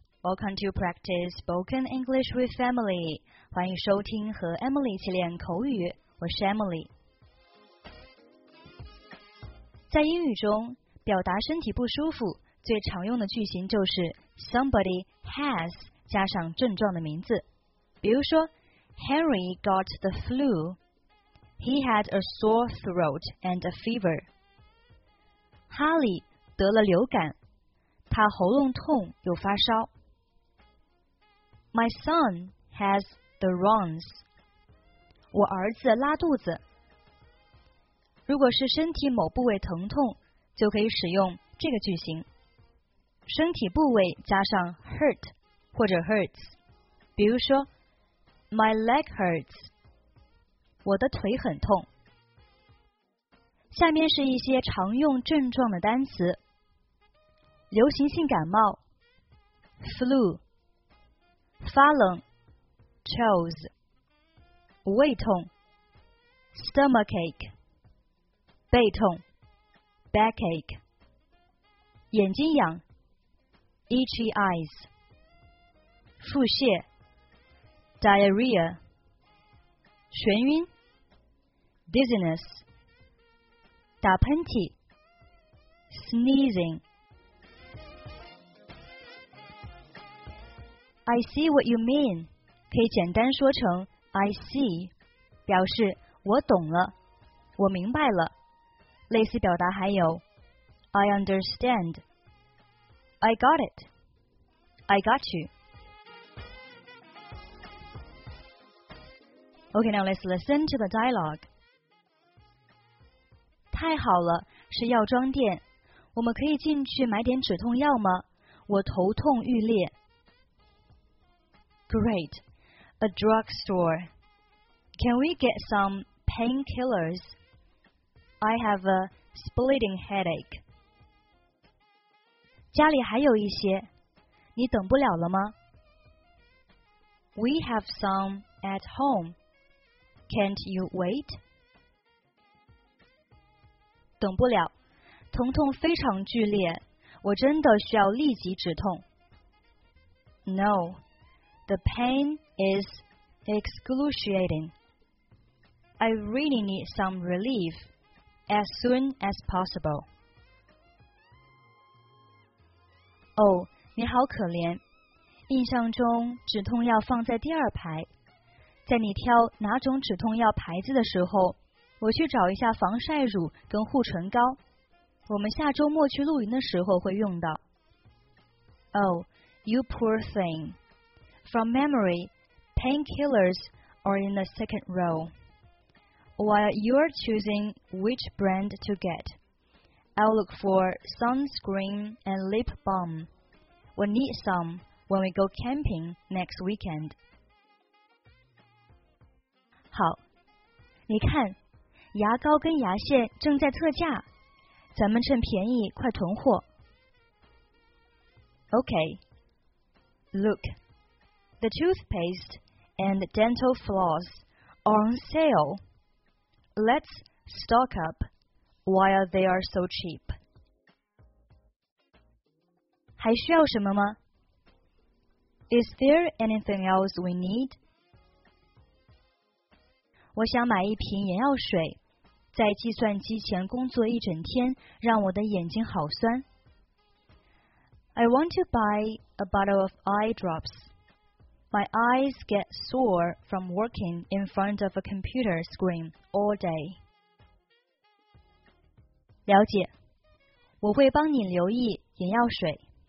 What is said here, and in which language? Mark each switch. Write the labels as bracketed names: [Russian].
[English] Welcome to practice spoken English with Emily. [Chinese] 欢迎收听和 Emily 一起练口语。我是 Emily。在英语中，表达身体不舒服最常用的句型就是 somebody has 加上症状的名字。比如说 [English] ，Harry got the flu. He had a sore throat and a fever. [Chinese] 哈利得了流感。他喉咙痛又发烧。 [English] My son has the runs. [Chinese] 我儿子拉肚子。如果是身体某部位疼痛，就可以使用这个句型。身体部位加上 hurt 或者 hurts。比如说 [English] ,My leg hurts. [Chinese] 我的腿很痛。下面是一些常用症状的单词。流行性感冒 flu 发冷 chills 胃痛 stomachache 背痛 backache 眼睛痒 itchy eyes 腹泻 diarrhea 眩晕 dizziness 打喷嚏 sneezingI [English] see what you mean, [Chinese] 可以简单说成 [English] I see, [Chinese] 表示我懂了，我明白了。类似表达还有 [English] I understand, I got it, I got you. Okay, now let's listen to the dialogue. [Chinese] 太好了，是药妆店，我们可以进去买点止痛药吗？我头痛欲裂。 [English] Great, a drugstore. Can we get some painkillers? I have a splitting headache. [Chinese] 家里还有一些，你等不了了吗？ [English] We have some at home. Can't you wait? [Chinese] 等不了，疼痛非常剧烈，我真的需要立即止痛。 [English] No. The pain is excruciating. I really need some relief as soon as possible. [Chinese] Oh, 你好可怜。印象中止痛药放在第二排。在你挑哪种止痛药牌子的时候，我去找一下防晒乳跟护唇膏。我们下周末去露营的时候会用到。 [English] Oh, you poor thing. From memory, painkillers are in the second row. While you're choosing which brand to get, I'll look for sunscreen and lip balm. We'll need some when we go camping next weekend. [Chinese] 好，你看，牙膏跟牙线正在特价，咱们趁便宜快囤货。 [English] Okay, look. The toothpaste and dental floss are on sale. Let's stock up while they are so cheap. [Chinese] 还需要什么吗？ [English] Is there anything else we need? [Chinese] 我想买一瓶眼药水，在计算机前工作一整天，让我的眼睛好酸。 [English] I want to buy a bottle of eye drops. My eyes get sore from working in front of a computer screen all day. [Chinese] 了解，我会帮你留意眼药水。